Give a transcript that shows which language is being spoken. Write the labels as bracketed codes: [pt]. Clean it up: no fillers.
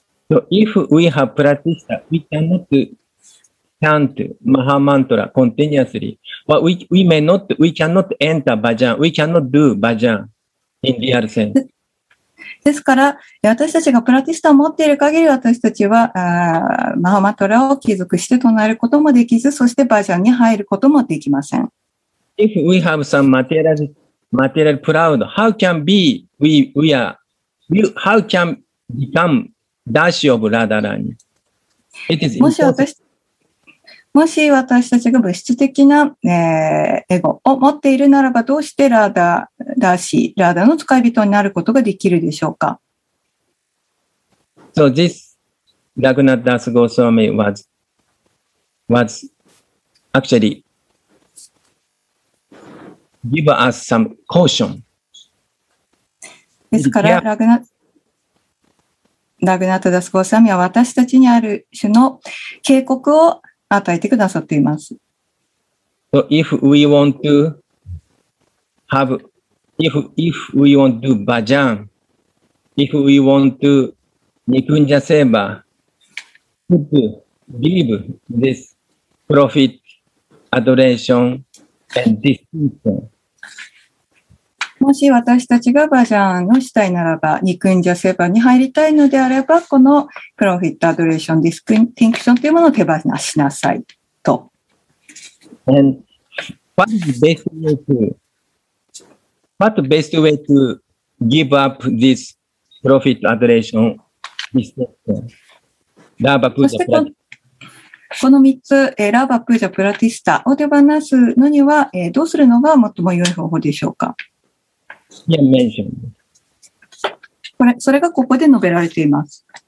[en] So if we have practiced, we cannot chant Maha Mantra continuously, but we may not, we cannot enter bhajan, we cannot do bhajan in real sense. [ja] ですから、私たちがプラティスタを持っている限り、私たちは、マハマントラを継続して唱えることもできず、そしてバージャンに入ることもできません。 [en] If we have some material proud, how can be we are, you, how can become dashi of Radharani? It is impossible. [ja] もし私たちが物質的な、エゴを持っているならば、どうしてラーダらしいラーダの使い人になることができるでしょうか。 [en] So this Raghunath Das Goswami was actually give us some caution. [ja] ですから、Raghunath Das Goswami は私たちにある種の警告を与えてくださっています。 [en] So if we want to have, if we want to do bhajan, if we want to nikunja seva, could give this profit, adoration, and distinction. [ja] もし私たちがバジャンのしたいならば、ニクンジャセバに入りたいのであれば、このプロフィット、アドレーション、ディスクインティンクションというものを手放しなさいと。 [en] And what is the best way to, what the best way to give up this profit, adoration, distinction? [ja] ラーバプージャプラティスタ。この三つ、ラーバプージャプラティスタを手放すのには、どうするのが最も良い方法でしょうか。 [en] Yeah, mentioned. [ja] これ、それがここで述べられています。